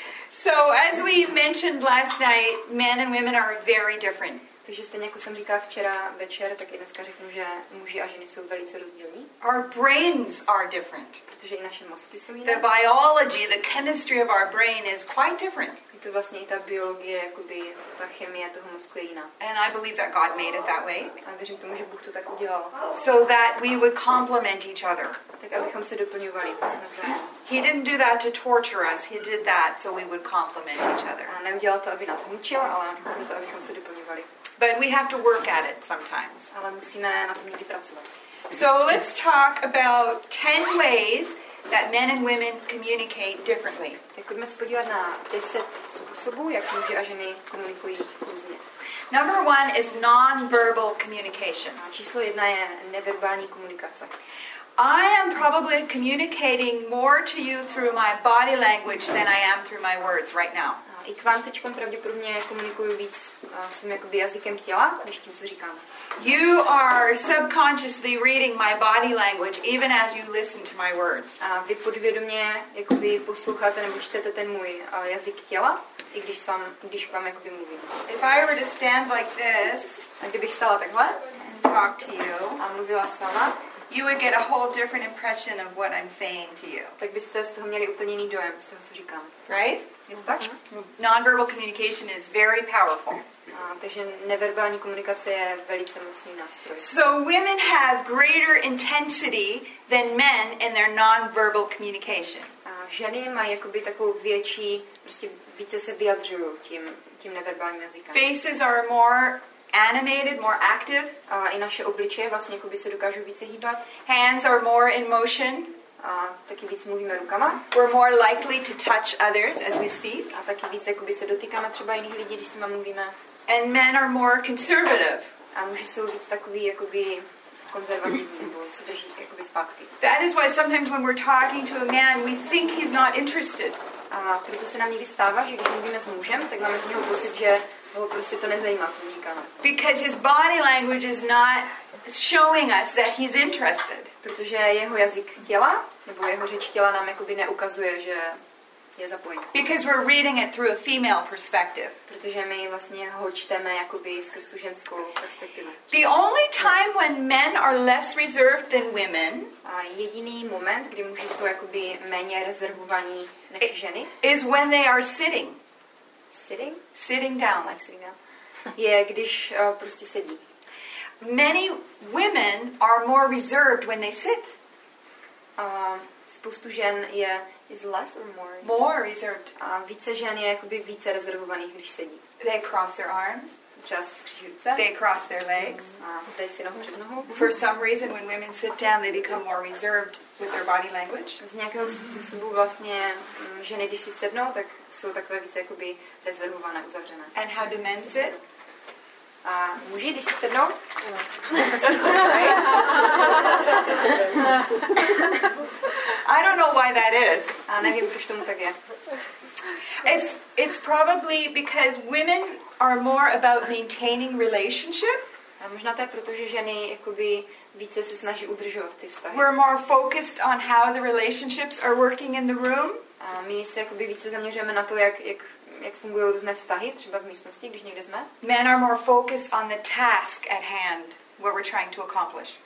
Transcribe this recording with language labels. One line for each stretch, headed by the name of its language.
English: So as we mentioned last night, men and women are very different.
Czech: Takže stejně jako jsem říkala včera večer, tak i dneska řeknu, že muži a ženy jsou velice rozdílní.
English: Our brains are different.
Czech: Protože i naše mozky jsou jiné.
English: The biology, the chemistry of our brain is quite different.
Czech: Je to vlastně i ta biologie, jakoby ta chemie toho mozku je jiná.
English: And I believe that God made it that way.
Czech: A věřím tomu, že Bůh to tak udělal.
English: So that we would complement each other.
Czech: Tak abychom se doplňovali.
English: He didn't do that to torture us. He did that so we would complement each other.
Czech: A neudělal to, aby nás mučil, ale proto, abychom se doplňovali.
English: But we have to work at it sometimes.
Czech: Ale musíme na tom někdy pracovat.
English: So let's talk about 10 ways that men and women communicate differently.
Czech: Tak pojďme se podívat na 10 způsobů, jak muži a ženy komunikují různě.
English: Number 1 is non-verbal communication.
Czech: Číslo 1 je neverbální komunikace.
English: I am probably communicating more to you through my body language than I am through my words right now.
Czech: I k vám teďkom pravděpodobně komunikuju víc svým jakoby jazykem těla, než tím, co říkám.
English: You are subconsciously reading my body language even as you listen to my words.
Czech: A vy podvědomě jakoby posloucháte nebo čtete ten můj jazyk těla, i když vám jakoby mluvím.
English: If I were to stand like this,
Czech: a kdybych stala takhle
English: and talk to you,
Czech: a mluvila s váma,
English: you would get a whole different impression of what I'm saying to you.
Czech: Tak byste z toho měli úplně jiný dojem z toho, co říkám.
English: Right? Mm-hmm. Nonverbal communication is very powerful.
Czech: Takže neverbální komunikace je velice mocný nástroj.
English: So women have greater intensity than men in their nonverbal communication.
Czech: Ženy mají jakoby takovou větší, prostě více se vyjadřují tím neverbálním jazykem.
English: Faces are more animated, more active.
Czech: I naše obličeje vlastně jakoby se dokážou více hýbat.
English: Hands are more in motion.
Czech: A taky víc mluvíme rukama.
English: We're more likely to touch others as we speak.
Czech: A taky víc jakoby se dotýkáme třeba jiných lidí, když s nima mluvíme.
English: And men are more conservative.
Czech: A muži jsou víc takový jakoby konzervativní, nebo se drží jakoby zpátky.
English: That is why sometimes when we're talking to a man, we think he's not interested.
Czech: A proto se nám někdy stává, že když mluvíme s mužem, tak máme z něho pocit, že ho prostě to nezajímá, co mu říkáme.
English: Because his body language is not showing us that he's interested.
Czech: Protože jeho jazyk těla, nebo jeho řeč těla nám jakoby neukazuje, že je zapojený.
English: Because we're reading it through a female perspective.
Czech: Protože my vlastně ho čteme jakoby skrz tu ženskou perspektivu.
English: The only time when men are less reserved than women,
Czech: a jediný moment, kdy muži jsou jakoby méně rezervovaní než ženy,
English: is when they are sitting. Sitting? Sitting down. Like sitting down.
Czech: Je, když prostě sedí.
English: Many women are more reserved when they sit.
Czech: Spoustu žen je
English: is less or more? More reserved.
Czech: Více žen je jakoby více rezervovaných, když sedí.
English: They cross their arms.
Czech: Just skříží ruce.
English: They cross their legs.
Czech: Dej si nohu před nohu.
English: For some reason, when women sit down, they become more reserved with their body language.
Czech: Z nějakého způsobu vlastně ženy, když si sednou, tak jsou takové více jakoby rezervované, uzavřené.
English: And how do men sit?
Czech: A muži, když si sednou?
English: I don't know why that is.
Czech: A nevím, proč tomu tak je.
English: It's probably because women are more about maintaining relationship.
Czech: A možná to je proto, že ženy jakoby více se snaží udržovat ty vztahy.
English: We're more focused on how the relationships are working in the room.
Czech: A my se jakoby více zaměřujeme na to, jak fungují různé vztahy, třeba v místnosti, když někde jsme.
English: Men are more focused on the task at hand. what we're trying to accomplish.